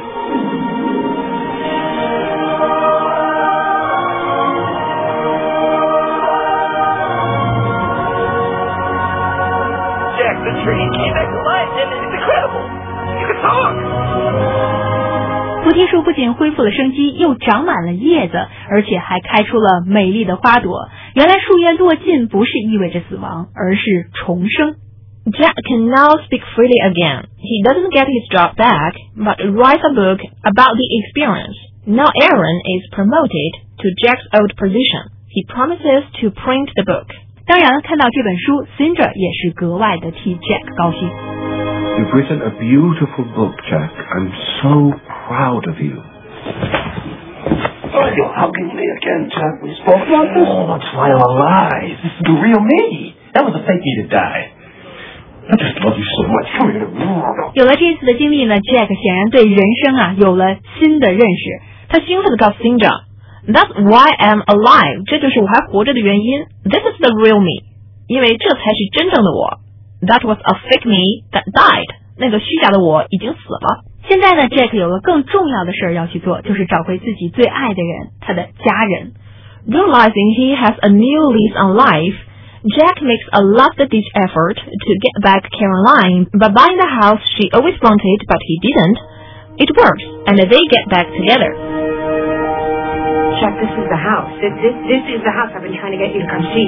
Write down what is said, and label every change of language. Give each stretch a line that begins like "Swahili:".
English: Jack, the tree came back to life, and it's incredible. You can talk.
Chinese: 菩提树不仅恢复了生机，又长满了叶子，而且还开出了美丽的花朵。原来树叶落尽不是意味着死亡，而是重生。
English: Jack can now speak freely again. He doesn't get his job back, but writes a book about the experience. Now Aaron is promoted to Jack's old position. He promises to print the book.
Chinese: 当然，看到这本书 ，Cinder 也是格外的替 Jack 高兴。
English: You've written a beautiful book, Jack. I'm so proud of you. Oh, you're hugging me again, Jack. We spoke about this. Oh, that's why I'm alive. This is the real me. That was a fake me to die. I just love you so much. Come here.
Chinese: 有了这次的经历呢 ，Jack 显然对人生啊有了新的认识。他兴奋地告诉 Cinder,
English: "That's why I'm alive.
Chinese: 这就是我还活着的原因。
English: This is the real me.
Chinese: 因为这才是真正的我。
English: That was a fake me that died.
Chinese: 那个虚假的我已经死了。现在呢 ，Jack 有了更重要的事要去做，就是找回自己最爱的人，他的家人。
English: Realizing he has a new lease on life. Jack makes a last-ditch effort to get back Caroline by buying the house she always wanted, but he didn't. It works, and they get back together. Jack, this is the house. This is the house I've been trying to get you to come see.